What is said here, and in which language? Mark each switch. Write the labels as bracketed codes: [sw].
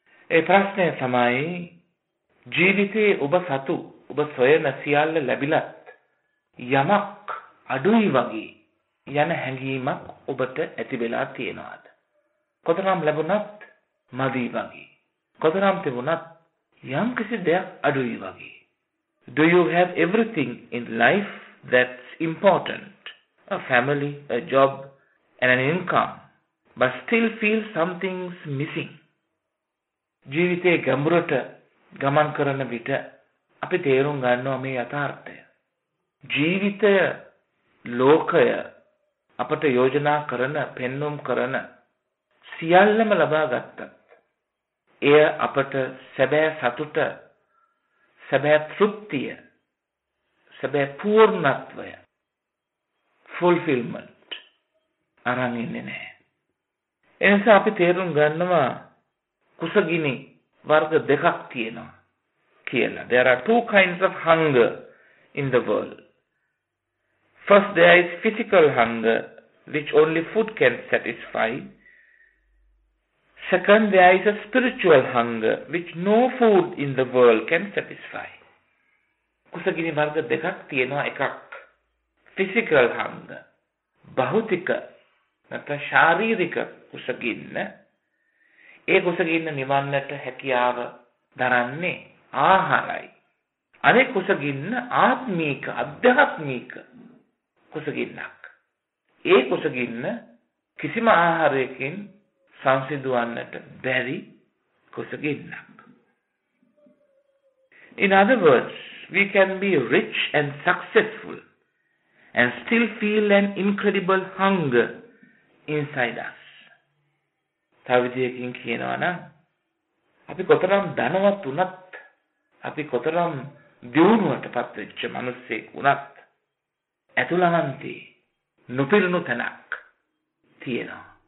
[si] ඒ ප්‍රශ්නය තමයි, ජීවිතයේ ඔබ සතු ඔබ සොයන සියල්ල ලැබිලත් යමක් අඩුයි වගේ යන හැඟීමක් ඔබට ඇති වෙලා තියෙනවාද? කොතරම් ලැබුණත් මදි වගේ, කොතරම් තිබුණත් යම් කිසි දෙයක් අඩුයි වගේ. [en] Do you have everything in life that's important? A family, a job, and an income. But still feel something's missing. [si] ජීවිතයේ ගැඹුරට ගමන් කරන විට අපි තේරුම් ගන්නවා මේ යථාර්ථය. ජීවිතය ලෝකය අපට යෝජනා කරන, පෙන්වුම් කරන සියල්ලම ලබා ගත්තත් එය අපට සැබෑ සතුට, සැබෑ තෘප්තිය, සැබෑ පූර්ණත්වය, fulfillment අරන් ඉන්නේ නැහැ. එනිසා අපි තේරුම් ගන්නවා කුසගිනි වර්ග දෙකක් තියෙනවා කියලා. [en] There are two kinds of hunger in the world. First, there is physical hunger, which only food can satisfy. Second, there is a spiritual hunger, which no food in the world can satisfy. [si] කුසගිනි වර්ග දෙකක් තියෙනවා. එකක් [en] physical hunger, [si] භෞතික නැත්නම් ශාරීරික කුසගින්න. ඒ කුසගින්න නිවන්නට හැකියාව දරන්නේ ආහාරයි. අනේ කුසගින්න ආත්මීක, අධ්‍යාත්මීක කුසගින්නක්. ඒ කුසගින්න කිසිම ආහාරයකින් සංසිඳුවන්නට බැරි කුසගින්නක්. [en] In other words, we can be rich and successful and still feel an incredible hunger inside us. [si] තව විදියකින් කියනවා නම්, අපි කොතරම් ධනවත් වුණත්, අපි කොතරම් දියුණුවටපත් වෙච්ච මිනිස්සෙක් වුණත්, ඇතුළහන්තේ නොපිරුණු තැනක් තියෙනවා.